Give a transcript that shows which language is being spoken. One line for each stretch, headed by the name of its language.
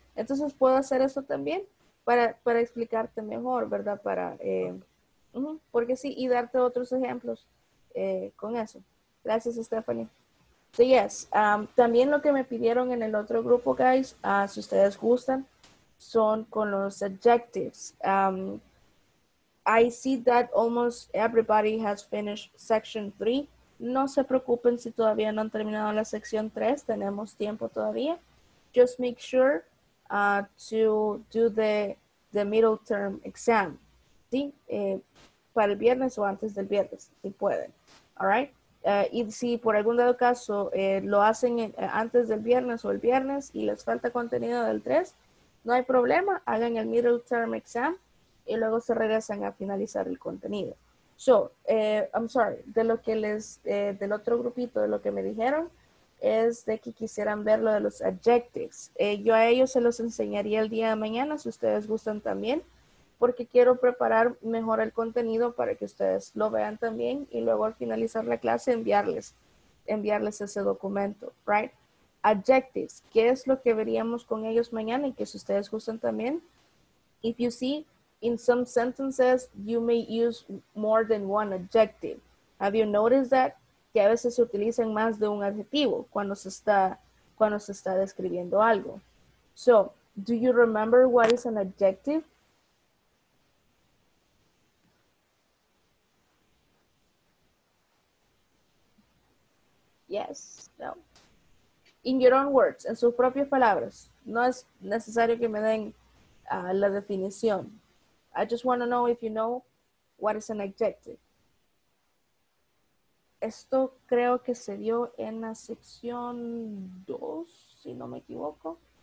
Spanish: Entonces puedo hacer eso también para explicarte mejor, ¿verdad? Para, porque sí, y darte otros ejemplos con eso. Gracias, Stephanie.
English: So, yes,
Spanish: también lo que me pidieron en el otro grupo, guys, si ustedes gustan, son con los adjectives.
English: I see that almost everybody has finished section 3.
Spanish: No se preocupen si todavía no han terminado la sección 3. Tenemos tiempo todavía.
English: Just make sure to do the middle term exam.
Spanish: ¿Sí? Para el viernes o antes del viernes, si pueden.
English: All right?
Spanish: Y si por algún dado caso lo hacen antes del viernes o el viernes y les falta contenido del 3, no hay problema. Hagan el middle term exam y luego se regresan a finalizar el contenido.
English: So, I'm sorry,
Spanish: de lo que les, del otro grupito, de lo que me dijeron, es de que quisieran ver lo de los adjectives. Yo a ellos se los enseñaría el día de mañana, si ustedes gustan también, porque quiero preparar mejor el contenido para que ustedes lo vean también y luego al finalizar la clase enviarles ese documento,
English: right?
Spanish: Adjectives, ¿qué es lo que veríamos con ellos mañana y que si ustedes gustan también?
English: If you see, in some sentences, you may use more than one adjective. Have you noticed that?
Spanish: Que a veces se utilizan más de un adjetivo cuando se está describiendo algo.
English: So, do you remember what is an adjective? Yes, no. In your own words,
Spanish: en sus propias palabras. No es necesario que me den la definición.
English: I just want to know if you know what is an adjective.
Spanish: Esto creo que se dio en la sección 2, si no me equivoco.